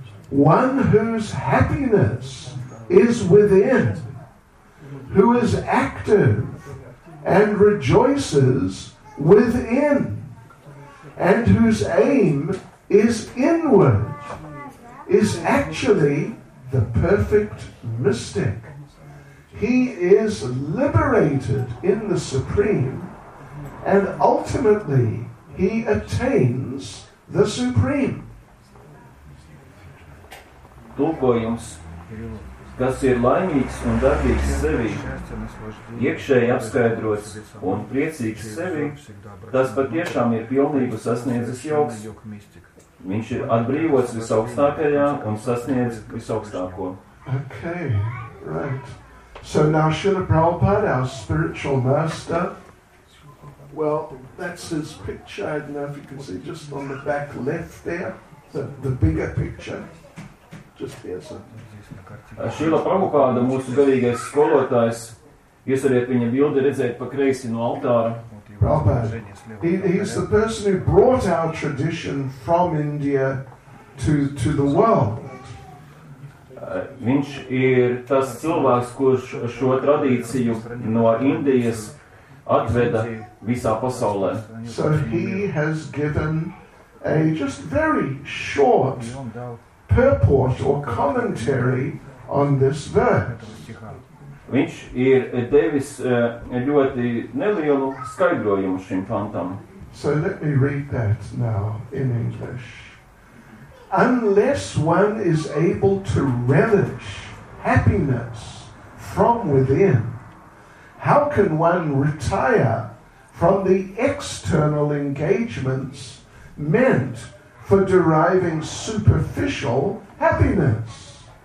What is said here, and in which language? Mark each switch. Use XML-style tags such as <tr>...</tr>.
<en>One whose happiness is within, who is active and rejoices within, and whose aim is inward, is actually the perfect mystic. He is liberated in the Supreme, and ultimately he attains the Supreme.</en> <lv>Tulkojums, kas ir laimīgs un darbīgs sevi, iekšēji apskaidrots un priecīgs sevi, tas patiešām ir pilnību sasniedzis jogs. Viņš ir atbrīvots visaugstākajā un sasniedz visaugstāko.</lv> <en>Okay, right. So now Srila Prabhupada, our spiritual master, well, that's his picture, I don't know if you can see just on the back left there, the bigger picture.</en> <lv>Šīla Prabhupāda, mūsu galīgais skolotājs, jūs varat viņa bildi redzēt pa kreisi no altāra.</lv> <en>Prabhupāda, he is the person who brought our tradition from India to the world.</en> <lv>Viņš ir tas cilvēks, kurš šo tradīciju no Indijas atveda visā pasaulē.</lv> <en>So he has given a just very short purport or commentary on this verse.</en> <lv>Viņš ir devis ļoti nelielu skaidrojumu šim pantam.</lv> <en>So let me read that now in English. Unless one is able to relish happiness from within, how can one retire from the external engagements meant for deriving superficial happiness?</en>